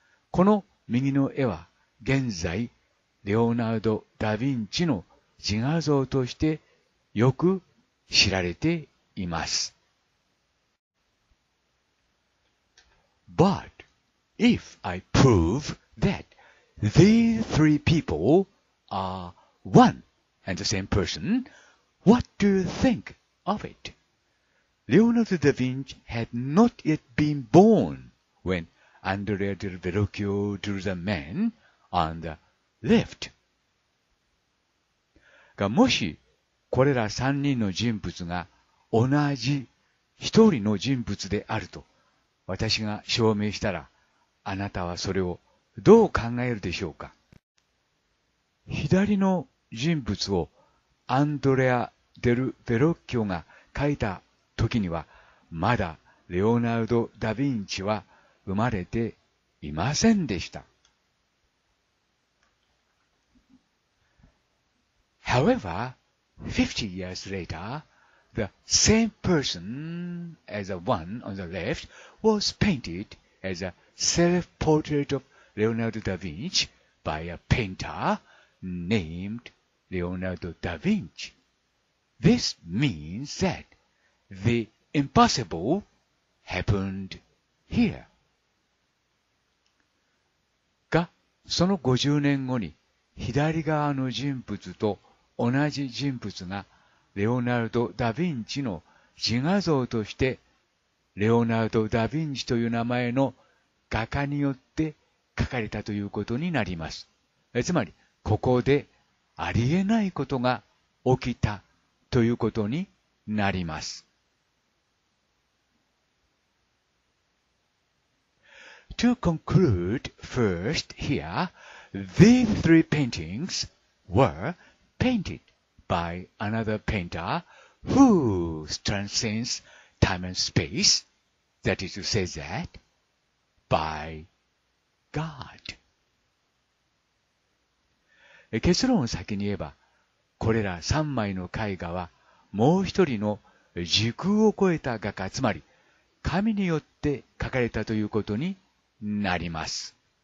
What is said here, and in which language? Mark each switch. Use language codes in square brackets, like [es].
[ja] この右の絵は、現在、レオナルド・ダ・ヴィンチの自画像として、よく知られています。 [en] But if I prove that these three people are one and the same person, what do you think of it? Leonardo da Vinci had not yet been born when Andrea del Verrocchio drew the man on the left. [ja] がもしこれら3人の人物が同じ一人の人物であると私が証明したら、あなたはそれをどう考えるでしょうか。左の人物をアンドレア・デル・ヴェロッキオが描いた時にはまだレオナルド・ダ・ヴィンチは生まれていませんでした。 [en] However,50 years later, the same person as the one on the left was painted as a self-portrait of Leonardo da Vinci by a painter named Leonardo da Vinci. This means that the impossible happened here. [ja] が、その50年後に左側の人物と同じ人物がレオナルド・ダ・ヴィンチの自画像としてレオナルド・ダ・ヴィンチという名前の画家によって描かれたということになります。つまり、ここでありえないことが起きたということになります。 [en] To conclude first here, these three paintings werePainted by another painter who transcends time and space, that is to say that, by God. [ja] 結論を先に言えば、これら3枚の絵画はもう一人の時空を超えた画家、つまり神によって描かれたということになります。